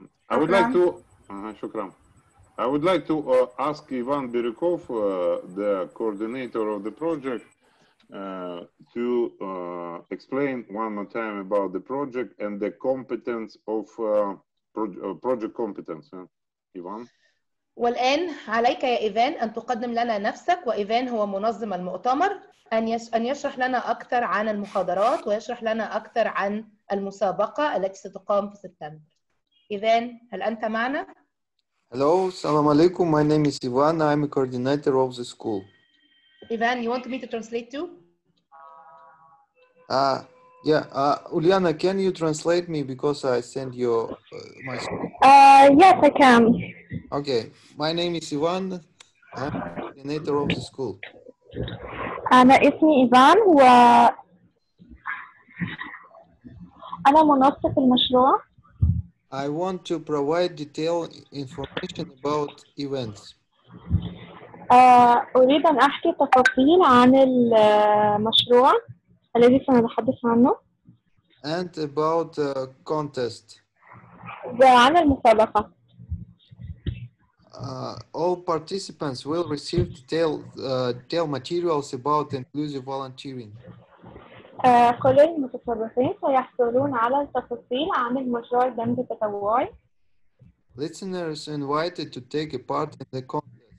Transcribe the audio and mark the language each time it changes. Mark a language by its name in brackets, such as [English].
[English] I would like to. [Arabic] شكرا. [English] I would like to ask Ivan Birikov, the coordinator of the project, to explain one more time about the project and the competence of project competence. Ivan. [Arabic] والآن عليك يا إيفان أن تقدم لنا نفسك. وإيفان هو منظم المؤتمر أن يشرح لنا أكثر عن المحاضرات ويشرح لنا أكثر عن المسابقة التي ستقام في سبتمبر. إيفان هل أنت معنا؟ [English] Hello, assalamu alaikum. My name is Ivan. I'm a coordinator of the school. Ivan, you want me to translate too? Uliana, can you translate me because I send you my school? Yes, I can. Okay, my name is Ivan. I'm a coordinator of the school. [Arabic] أنا اسمي إيفان و أنا منسق المشروع. [English] I want to provide detailed information about events. [Arabic] أريد أن أحكي تفاصيل عن المشروع الذي سنتحدث عنه. [English] And about the contest. [Arabic] وعن المسابقة. [English] All participants will receive detailed materials about inclusive volunteering. [Arabic] كل المتسابقين سيحصلون على التفاصيل عن المشروع الدمج التطوعي. [English] Listeners invited to take a part in the contest.